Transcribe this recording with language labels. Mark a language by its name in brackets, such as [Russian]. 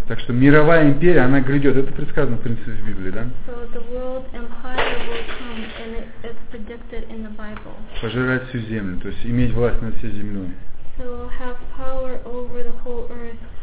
[Russian] Так что мировая империя, она грядет. Это предсказано, в принципе, в Библии, да? [English] So the world empire will come and it's predicted in the Bible. [Russian] Пожирать всю землю, то есть иметь власть над всей землей. [English] So have power over the whole earth.